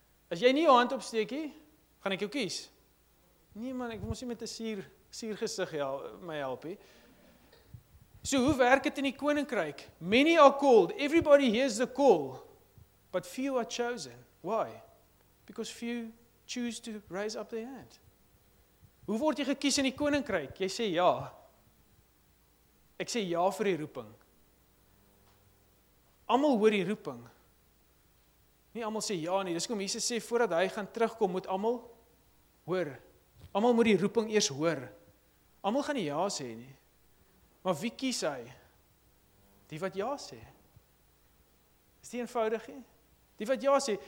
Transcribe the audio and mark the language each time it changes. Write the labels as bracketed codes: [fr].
[af] As jy nie jou hand opsteek, gaan ek jou kies. Nee man, ek moes nie met 'n sier gesig my help. So, hoe werk het in die koninkryk? [en] Many are called, everybody hears the call, but few are chosen. Why? Because few choose to raise up their hand. [af] Hoe word jy gekies in die koninkryk? Jy sê ja. Ek sê ja vir die roeping. Almal hoor die roeping. Nie almal sê ja nie. Dis kom Jesus sê, voordat hy gaan terugkom, moet almal hoor. Almal moet die roeping eers hoor. Almal gaan nie ja sê nie. Maar wie kies hy? Die wat ja sê. Is die eenvoudig nie? Die wat ja sê.